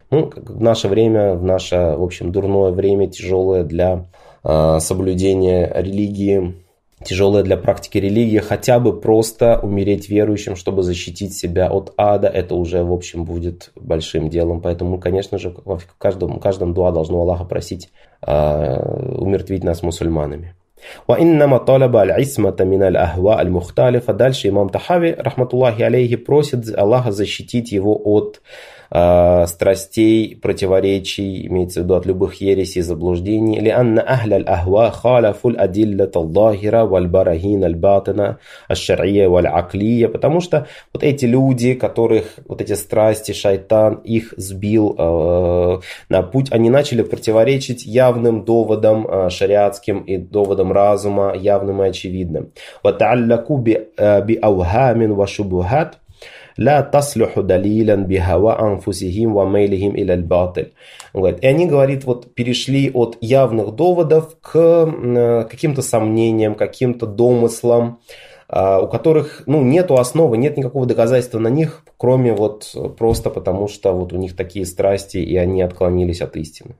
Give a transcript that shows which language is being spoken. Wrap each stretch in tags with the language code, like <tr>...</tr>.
<ru>Ну, в наше время, в наше, в общем, дурное время, тяжелое для соблюдения религии, тяжелое для практики религии, хотя бы просто умереть верующим, чтобы защитить себя от ада, это уже, в общем, будет большим делом. Поэтому, конечно же, в каждом дуа должно Аллаха просить умертвить нас мусульманами.</ru> <ar>وإنما طلب العصمة من الأهواء المختلفة.</ar> <ru>Дальше имам Тахави, рахматуллахи алейхи, просит Аллаха защитить его от страстей, противоречий, имеется в виду от любых ересей и заблуждений.</ru> <ar>لِأَنَّ أَهْلَ الْأَهْوَى خَالَفُ الْأَدِلَّةَ الظَّاهِرَ وَالْبَرَهِينَ الْبَاطِنَ الشَّرْعِيَ وَالْعَقْلِيَ.</ar> <ru>Потому что вот эти люди, которых вот эти страсти, шайтан их сбил на путь, они начали противоречить явным доводам шариатским и доводам разума, явным и очевидным.</ru> <ar>وَتَعَلَّقُوا بِأَوْهَامٍ وَشُبُهَاتٍ لا تصلح دليلا بهوى انفسهم وميلهم الى الباطل.</ar> <ru>Вот. И они, говорит, вот перешли от явных доводов к каким-то сомнениям, каким-то домыслам, у которых, ну, нету основы, нет никакого доказательства на них, кроме вот просто потому, что вот у них такие страсти, и они отклонились от истины.</ru>